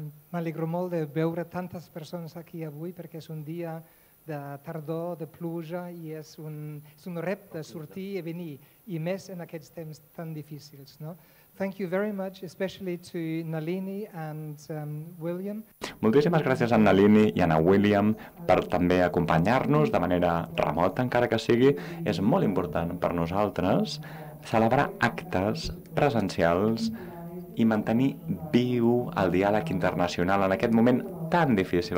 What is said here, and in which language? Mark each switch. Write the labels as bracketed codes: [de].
[ca] M'alegro molt de veure tantes persones aquí avui, perquè és un dia de tardor, de pluja, i és un repte sortir i venir, i més en aquests temps tan difícils, no? [en] Thank you very much, especially to Nalini and William. [ca] Moltíssimes gràcies a Nalini i a William per també acompanyar-nos de manera remota, encara que sigui. És molt important per nosaltres celebrar actes presencials i mantenir viu el diàleg internacional en aquest moment tan difícil.